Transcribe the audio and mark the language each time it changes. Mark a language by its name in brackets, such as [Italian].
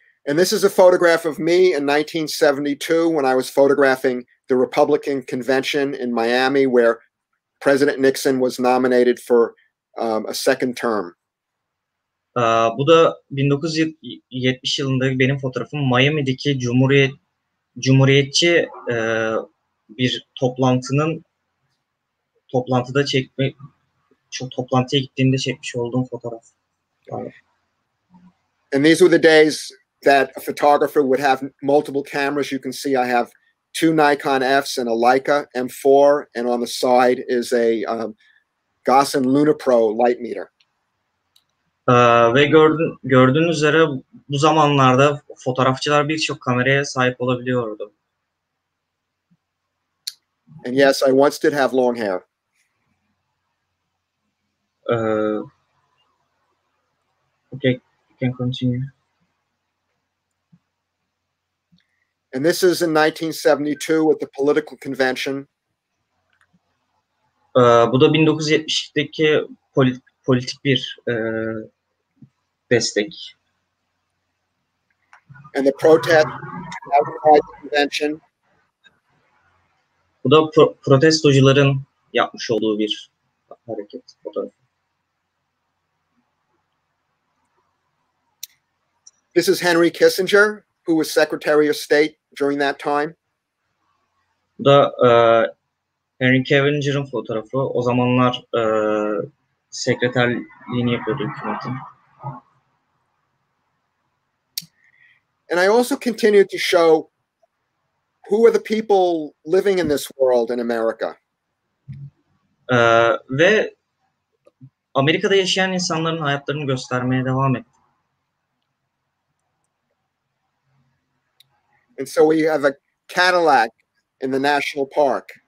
[English] And this is a photograph of me in 1972 when I was photographing the Republican convention in Miami where President Nixon was nominated for a second term. [Turkish] Bu da 1970 yılında benim fotoğrafım Miami'deki cumhuriyetçi bir toplantıya gittiğimde çekmiş olduğum fotoğraf. [English] And these were the days that a photographer would have multiple cameras. You can see I have two Nikon Fs and a Leica M4, and on the side is a Gossen Lunapro light meter. [Turkish] Ve gördüğünüz üzere bu zamanlarda fotoğrafçılar birçok kameraya sahip olabiliyordu. [English] And yes, I once did have long hair. Okay, you can continue. And this is in 1972 at the political convention. [Turkish] Bu da 1972'deki politik bir destek. [English] And the protest outside the convention. [Turkish] Bu da protestocuların yapmış olduğu bir hareket fotoğrafı. [English] This is Henry Kissinger, who was Secretary of State during that time. [Turkish] Bu da Henry Kissinger'ın fotoğrafı. O zamanlar sekreterliğini yapıyordu hükümetin. [English] And I also continued to show who are the people living in this world in America? [Turkish] Ve Amerika'da yaşayan insanların hayatlarını göstermeye devam etti. [English] And so we have a Cadillac in the national park.